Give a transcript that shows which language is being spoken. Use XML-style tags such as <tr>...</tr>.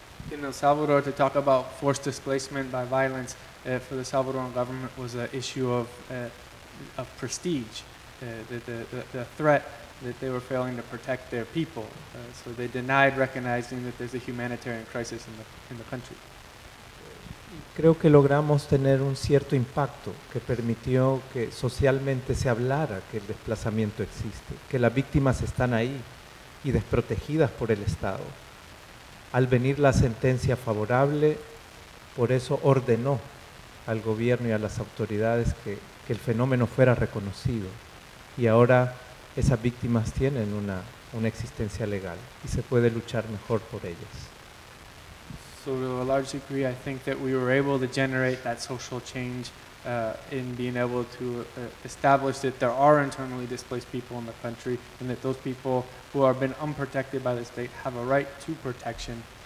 <en>In El Salvador, to talk about forced displacement by violence for the Salvadoran government was an issue of prestige, the threat that they were failing to protect their people. So they denied recognizing that there's a humanitarian crisis in the country.</en> <es>Creo que logramos tener un cierto impacto que permitió que socialmente se hablara que el desplazamiento existe, que las víctimas están ahí y desprotegidas por el Estado. Al venir la sentencia favorable, por eso ordenó al gobierno y a las autoridades que el fenómeno fuera reconocido. Y ahora esas víctimas tienen una existencia legal y se puede luchar mejor por ellas.</es> <en>So to a large degree, I think that we were able to generate that social change in being able to establish that there are internally displaced people in the country, and that those people who have been unprotected by the state have a right to protection.</en>